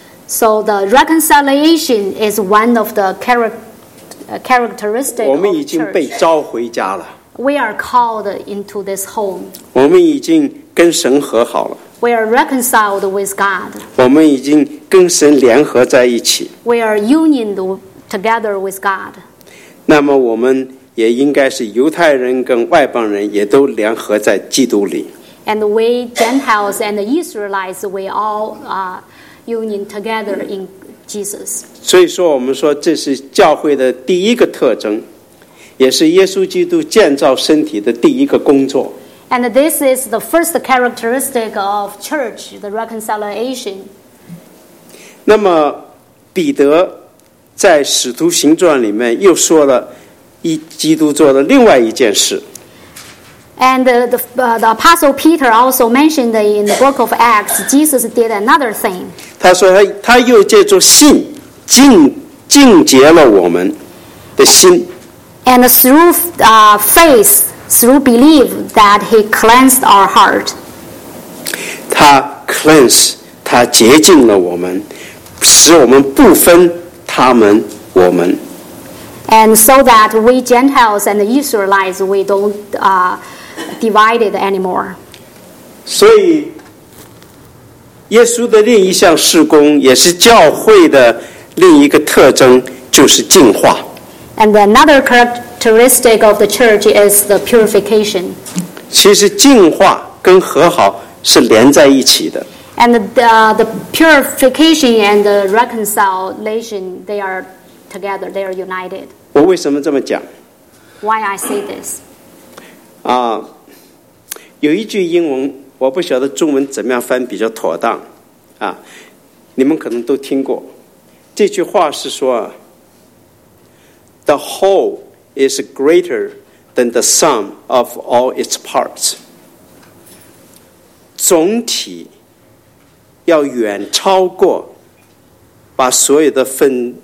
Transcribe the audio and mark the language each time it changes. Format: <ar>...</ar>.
<en>So the reconciliation is one of the characteristics of church.</en> <zh>我们已经被召回家了。</zh> <en>We are called into this home.</en> <zh>我们已经跟神和好了。</zh> <en>We are reconciled with God.</en> <zh>我们已经跟神联合在一起。</zh> <en>We are united together with God.</en> <zh>那么我们也应该是犹太人跟外邦人也都联合在基督里。</zh> <en>And we Gentiles and the Israelites, we all are united together in Jesus.</en> <zh>所以说我们说这是教会的第一个特征，也是耶稣基督建造身体的第一个工作。</zh> <en>And this is the first characteristic of church, the reconciliation.</en> <zh>那么彼得在使徒行传里面又说了一基督做的另外一件事。</zh> <en>And the Apostle Peter also mentioned in the book of Acts, Jesus did another thing.</en> <zh>他说 他又借着信进结了我们的心。</zh> <en>And through faith,through belief that he cleansed our heart.</en> <zh>他 cleanse, 他洁净了我们，使我们不分他们我们。</zh> <en>And so that we Gentiles and the Israelites, we don't divide it anymore.</en> <zh>所以耶稣的另一项事工也是教会的另一个特征，就是净化。</zh> <en>And another characteristic of the church is the purification.</en> <zh>其实净化跟和好是连在一起的。</zh> <en>And the purification and the reconciliation, they are together, they are united.</en> <zh>我为什么这么讲？</zh> <en>Why I say this?</en> <zh>有一句英文，我不晓得中文怎么样翻比较妥当。你们可能都听过。这句话是说</zh> <en>The whole is greater than the sum of all its parts.</en> <zh>总体要远超过把所有的分。</zh>